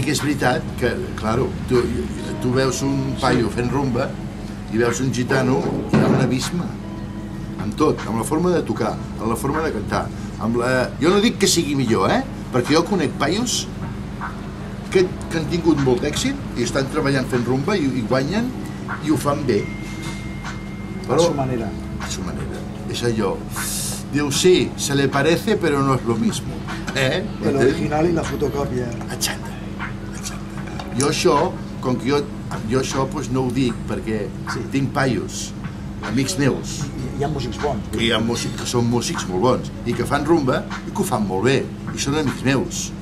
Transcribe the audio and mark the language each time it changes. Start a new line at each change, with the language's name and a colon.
Catalan: que és veritat que, claro, tu veus un paio fent rumba i veus un gitano, hi ha un abisme. Amb tot, amb la forma de tocar, amb la forma de cantar, amb la... Jo no dic que sigui millor, perquè jo conec paios que han tingut molt d'èxit i estan treballant fent rumba i guanyen i ho fan bé.
Spanish: A su manera. A su manera.
Catalan: És allò. Diu,
Spanish: sí, se le parece, pero no es lo mismo. El original y la fotocòpia.
Catalan: Exacte. Jo això, com que jo això no ho dic perquè tinc paios, amics meus. Hi ha músics bons. Hi ha músics que són músics molt bons i que fan rumba i que ho fan molt bé. I són amics meus.